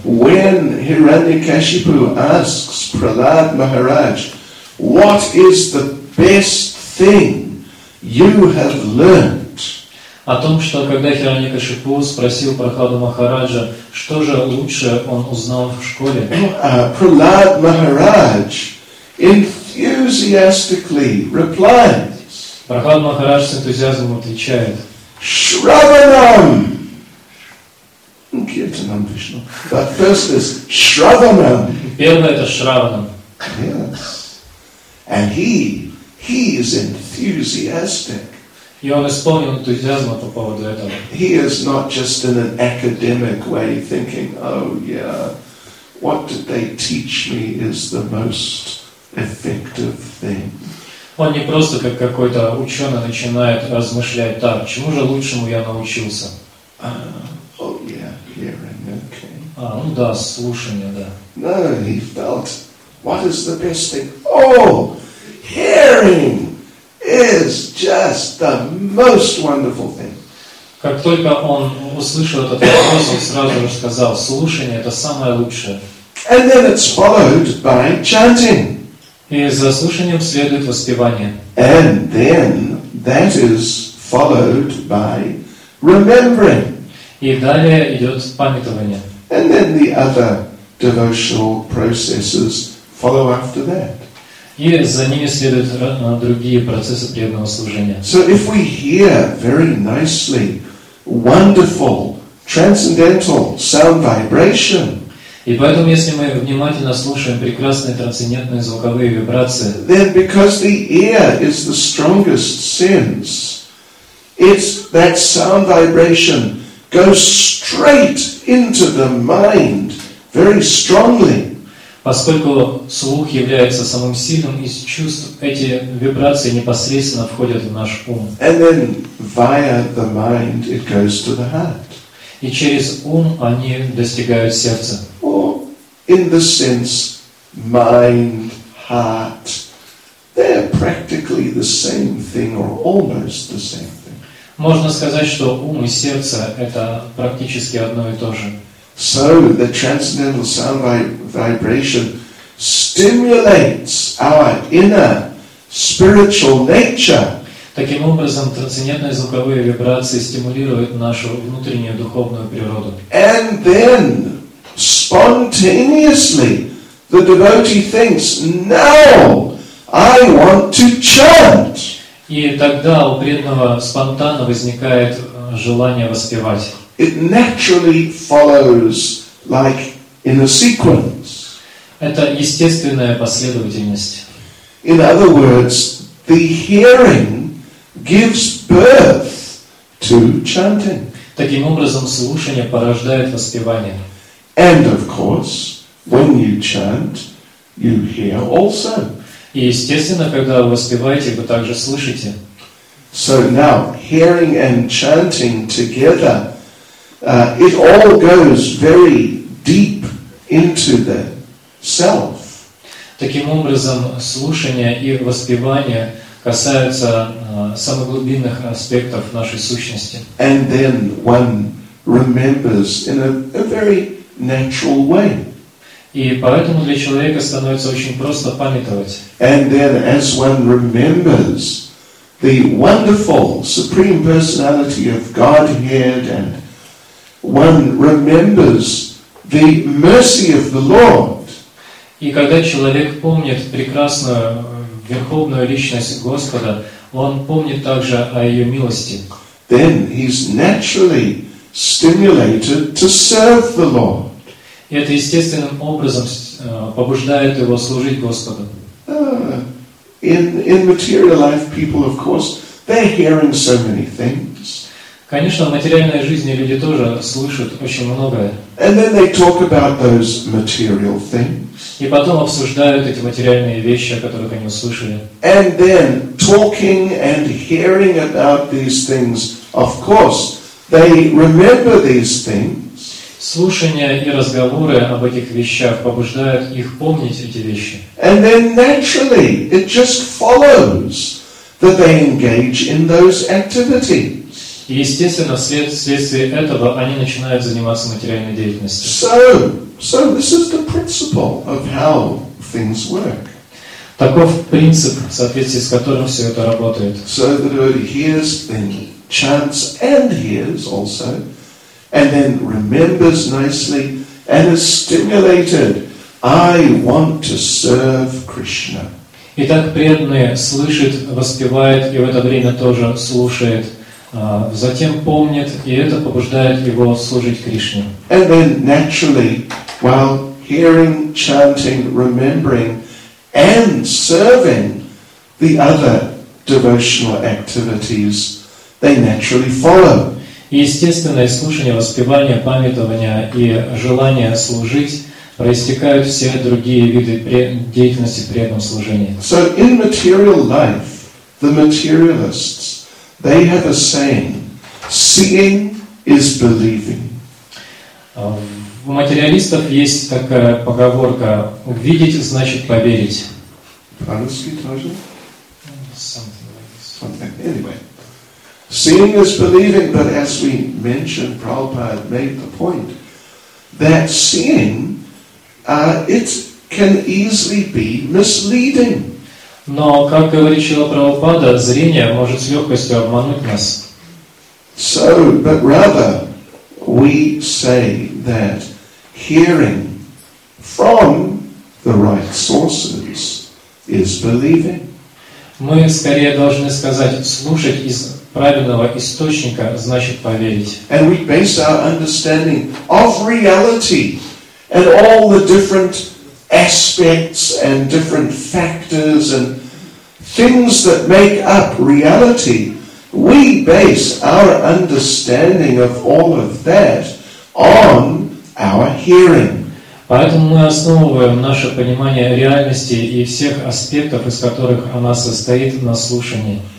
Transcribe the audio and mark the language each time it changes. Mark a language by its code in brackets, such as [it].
[en] When Hiranyakashipu asks Prahlad Maharaj, what is the best thing you have learnt? [ru] О том, что когда Хираньякашипу спросил Прахладу Махараджа, что же лучше он узнал в школе? [en] Prahlad Maharaj enthusiastically replies. [ru] Прахлад Махарадж с энтузиазмом отвечает. [sa] Shravanam! Kirtanam Vishnu. [en] But first is Shravanam. [ru] Первое это Shravanam. [en] Yes. And he is enthusiastic. [ru] И он исполнен энтузиазма по поводу этого. [en] He is not just in an academic way thinking, oh yeah, what did they teach me is the most effective thing. [ru] Он не просто как какой-то ученый начинает размышлять, так, чему же лучшему я научился? [en] Hearing, okay. [ru] А, ну да, слушание, да. [en] No, he felt, what is the best thing? Oh, hearing is just the most wonderful thing. [ru] Как только он услышал этот вопрос, он сразу же сказал, слушание это самое лучшее. [en] And then it's followed by chanting. [ru] И за слушанием следует воспевание. [en] And then that is followed by remembering. [ru] И далее идет памятование. [en] And then the other devotional processes follow after that. [ru] И за ними следуют другие процессы преданного служения. [en] So if we hear very nicely, wonderful, transcendental sound vibration, [ru] и поэтому, если мы внимательно слушаем прекрасные трансцендентные звуковые вибрации, [en] then because the ear is the strongest sense, it's that sound vibration goes straight into the mind very strongly. [ru] Поскольку слух является самым сильным из чувств, эти вибрации непосредственно входят в наш ум. [en] And then via the mind it goes to the heart. [ru] И через ум они достигают сердца. [en] Or in the sense mind, heart, they're practically the same thing or almost the same. [ru] Можно сказать, что ум и сердце — это практически одно и то же. [en] So the transcendental sound vibration stimulates our inner spiritual nature. [ru] Таким образом, трансцендентные звуковые вибрации стимулируют нашу внутреннюю духовную природу. [en] And then, spontaneously, the devotee thinks, now I want to chant. [ru] И тогда у преданного спонтанно возникает желание воспевать. [en] It naturally follows like in a sequence. [ru] Это естественная последовательность. [en] In other words, the hearing gives birth to chanting. [ru] Таким образом, слушание порождает воспевание. [en] And of course, when you chant, you hear also. [ru] И естественно, когда вы воспеваете, вы также слышите. [en] So now, hearing and chanting together, it all goes very deep into the self. [ru] Таким образом, слушание и воспевание касаются самых глубинных аспектов нашей сущности. [en] And then one remembers in a very natural way. [ru] И поэтому для человека становится очень просто памятовать. [en] And then as one remembers the wonderful Supreme Personality of Godhead and one remembers the mercy of the Lord. [ru] И когда человек помнит прекрасную верховную личность Господа, он помнит также о ее милости. [en] Then he's naturally stimulated to serve the Lord. [ru] Это естественным образом побуждает его служить Господу. [en] In material life, people, of course, they're hearing so many things. [ru] Конечно, в материальной жизни люди тоже слышат очень многое. [en] And then they talk about those material things. [ru] И потом обсуждают эти материальные вещи, о которых они услышали. [en] And then talking and hearing about these things, of course, they remember these things. [ru] Слушания и разговоры об этих вещах побуждают их помнить эти вещи. [en] And then naturally, it just follows that they engage in those activities. [ru] И естественно, вследствие этого, они начинают заниматься материальной деятельностью. [en] So this is the principle of how things work. [ru] Таков принцип, в соответствии с которым все это работает. [en] So the Lord hears, then chants, and hears also, and then remembers nicely, and is stimulated. I want to serve Krishna. [ru] Итак, преданный слышит, воспевает, и в это время тоже слушает. Затем помнит, и это побуждает его служить Кришне. [en] And then naturally, while hearing, chanting, remembering, and serving the other devotional activities, they naturally follow. [ru] Естественное слушание, воспевание, памятование и желание служить проистекают все другие виды деятельности в преданном служении. [en] So in material life, the materialists, they have a saying, seeing is believing. [ru] У материалистов есть такая поговорка, увидеть значит поверить. По-русски тоже? [en] Something like this. Anyway, seeing is believing, but as we mentioned, Prabhupada made the point that seeing, it can easily be misleading. [ru] Но, как говорит Шрила Прабхупада, зрение может с легкостью обмануть нас. [en] So, but rather, we say that hearing from the right sources is believing. [ru] Мы скорее должны сказать, слушать из правильного источника значит поверить. [en] And we base our understanding of reality and all the different aspects and different factors and things that make up reality, we base our understanding of all of that on our hearing. [ru] Поэтому мы основываем наше понимание реальности и всех аспектов, из которых она состоит, на слушании.